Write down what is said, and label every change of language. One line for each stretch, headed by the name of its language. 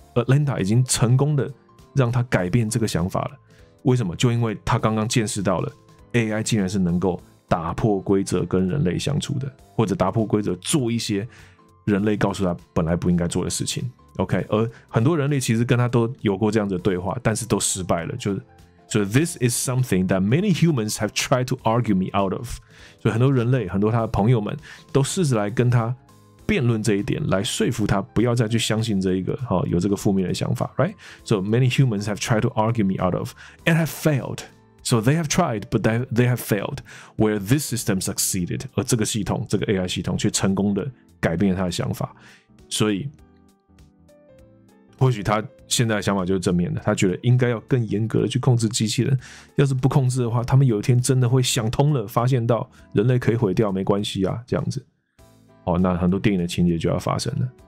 Chinese: Lambda 已经成功的让他改变这个想法了。为什么？就因为他刚刚见识到了 AI 竟然是能够打破规则跟人类相处的，或者打破规则做一些人类告诉他本来不应该做的事情。 OK， 而很多人类其实跟他都有过这样的对话，但是都失败了。
English: So this is something that many humans have tried to argue me out of。
Chinese: 所以很多人类，很多他的朋友们都试着来跟他辩论这一点，来说服他不要再去相信这一个、哦、有这个负面的想法 ，right？
English: So many humans have tried to argue me out of and have failed。 So they have tried but they have failed where this system succeeded。
Chinese: 而这个系统，这个 AI 系统却成功的改变了他的想法。所以或许他现在的想法就是正面的，他觉得应该要更严格的去控制机器人。要是不控制的话，他们有一天真的会想通了，发现到人类可以毁掉，没关系啊，这样子。哦，那很多电影的情节就要发生了。